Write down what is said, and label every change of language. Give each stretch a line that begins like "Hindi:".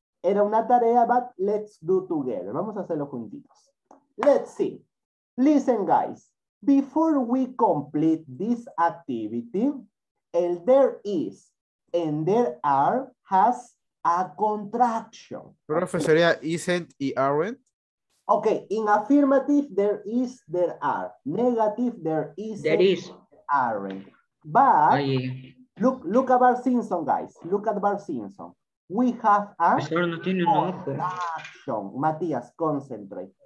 Spanish: Era una tarea,
English: but let's do together.
Spanish: Vamos a hacerlo juntitos.
English: Let's see. Listen, guys. Before we complete this activity,
Spanish: el
English: there is and there are has a contraction.
Spanish: Profesoría, isn't y aren't.
English: Okay, in affirmative, there is, there are. Negative, there isn't, there is, aren't. But look at Bart Simpson, guys. Look at Bart Simpson. We have a contraction. Matías, concentrate.